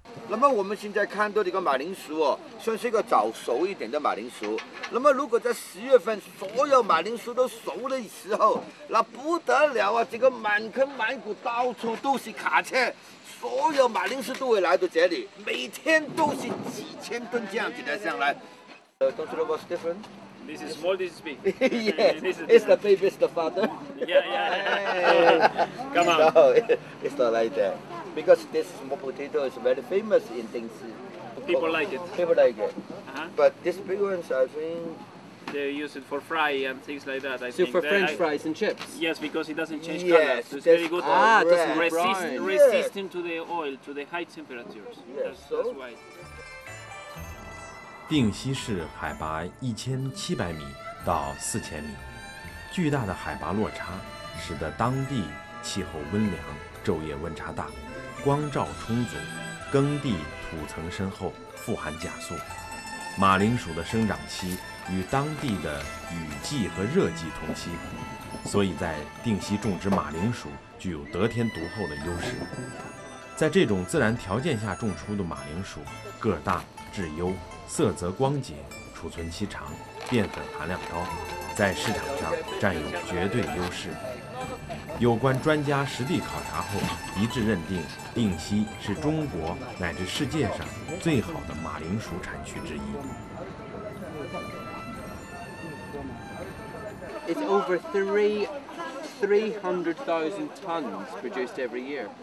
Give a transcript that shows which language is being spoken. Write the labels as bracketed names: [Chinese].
[Chinese] 那么我们现在看到的一个马铃薯哦，算是一个早熟一点的马铃薯。那么如果在10月份所有马铃薯都熟的时候，那不得了啊，这个满坑满谷到处都是卡车，所有马铃薯都会来到这里，每天都是几千吨这样子的上来。 [English] Don't you know what's different? This is small, this is big. Yes, it's the baby, it's the father. Yeah. Come on. No, it's not like that. Because this small potato is very famous in Dingxi. People like it. Uh-huh. But these big ones, I think... They use it for fry and things like that. So for French fries and chips? Yes, because it doesn't change color. So it's very good. Ah, it doesn't resist to the oil, to the high temperatures. Yes, that's why. [Chinese] 定西市海拔1700米到4000米，巨大的海拔落差使得当地气候温凉，昼夜温差大，光照充足，耕地土层深厚，富含钾素。马铃薯的生长期与当地的雨季和热季同期，所以在定西种植马铃薯具有得天独厚的优势。在这种自然条件下种出的马铃薯，个大质优，色泽光洁，储存期长，淀粉含量高，在市场上占有绝对优势。有关专家实地考察后一致认定，定西是中国乃至世界上最好的马铃薯产区之一。 [English] It's over 300,000 tons produced every year.